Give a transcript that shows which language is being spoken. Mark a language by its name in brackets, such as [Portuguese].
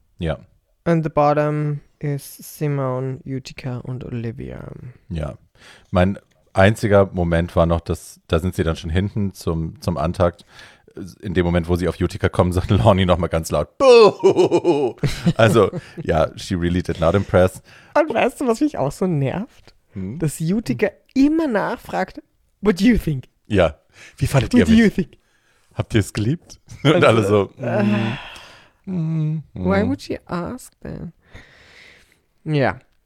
[German] Ja. [English] And the bottom is Simone, Utica und Olivia. [German] Ja, mein einziger Moment war noch, dass da sind sie dann schon hinten zum Antakt. In dem Moment, wo sie auf Utica kommen, sagt Lonnie nochmal ganz laut, Boo! Also, ja, [English] she really did not impress. [German] Und weißt du, was mich auch so nervt? Hm? Dass Utica immer nachfragt, [English] what do you think? [German] Ja, wie fandet [English] what [German] ihr mich? [English] What do you think? [German] Habt ihr es geliebt? Und also, alle so, [English] Why would she ask that? [German] Ja.